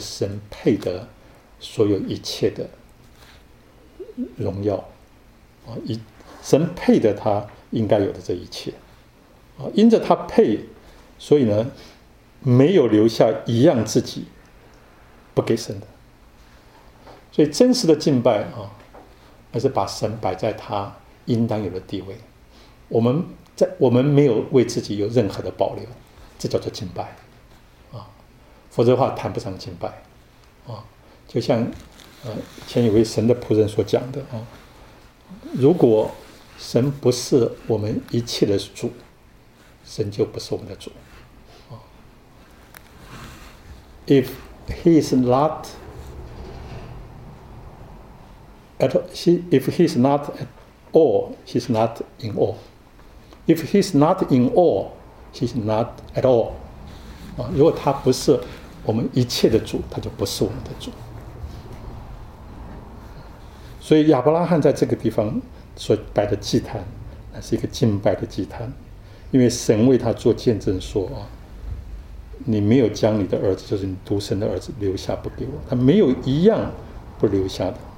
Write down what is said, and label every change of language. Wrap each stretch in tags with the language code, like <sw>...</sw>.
<zh>就是神配得所有一切的荣耀神配得他应该有的这一切因着他配，所以呢没有留下一样自己不给神的，所以真实的敬拜而是把神摆在他应当有的地位，我们没有为自己有任何的保留，这叫做敬拜否则的话谈不上敬拜就像以前有位神的仆人所讲的如果神不是我们一切的主，神就不是我们的主。</zh> <en>If he is not at he, if he is not at all, he is not in all. If he is not in all, he is not at all.</en> <zh>如果他不是我们一切的主，他就不是我们的主。所以亚伯拉罕在这个地方所摆的祭坛，那是一个敬拜的祭坛，因为神为他做见证说，你没有将你的儿子，就是你独生的儿子留下不给我，他没有一样不留下的。</zh>